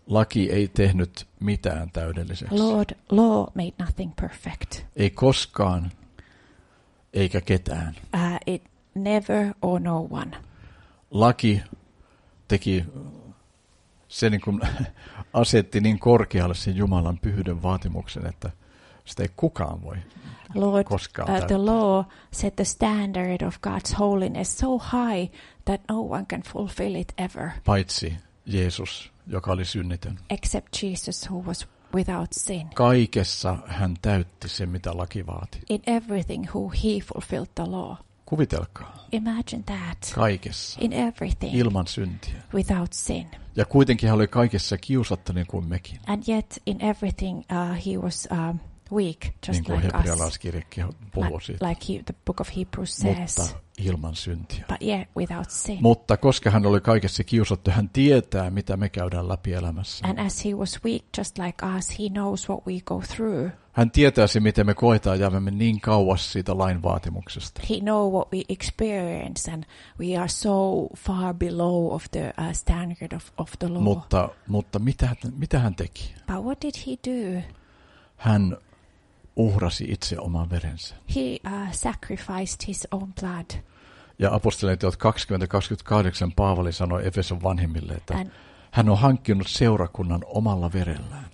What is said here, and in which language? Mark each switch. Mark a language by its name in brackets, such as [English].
[Finnish] Laki ei tehnyt mitään täydelliseksi. [English] Lord, law made nothing perfect. [Finnish] Ei koskaan eikä ketään. [English] It never or no one. [Finnish] Laki teki se niin kuin asetti niin korkealle sen Jumalan pyhyyden vaatimuksen, että sitä ei kukaan voi [English] Lord, [Finnish] koskaan täyttää. [English] The law set the standard of God's holiness so high that no one can fulfill it ever. [Finnish] Paitsi Jeesus, joka oli synnitön. [English] Except Jesus who was without sin. [Finnish] Kaikessa hän täytti sen, mitä laki vaati. [English] In everything who he fulfilled the law. [Finnish] Kuvitelkaa. [English] Imagine that. [Finnish] Kaikessa. [English] In everything. [Finnish] Ilman syntiä. [English] Without sin. [Finnish] Ja kuitenkin hän oli kaikessa kiusattu niin kuin mekin. [English] And yet in everything he was weak just like us. [Finnish] Niin kuin hebrealaiskirjakin puhuu siitä. [English] Like the book of Hebrews says. [Finnish] Mutta ilman syntiä. [English] But yet without sin. [Finnish] Mutta koska hän oli kaikessa kiusattu, hän tietää mitä me käydään läpi elämässä. [English] And as he was weak just like us, he knows what we go through. [Finnish] Hän tietäisi, miten me koetaan ja jäämme niin kauas siitä lain vaatimuksesta. [English] He know what we experience and we are so far below of the standard of the law. [Finnish] Mutta mitä hän teki? [English] But what did he do? [Finnish] Hän uhrasi itse oman verensä. [English] He sacrificed his own blood. [Finnish] Ja apostolien teot 20:28 Paavali sanoi Efeson vanhimmille, että hän on hankkinut seurakunnan omalla verellään.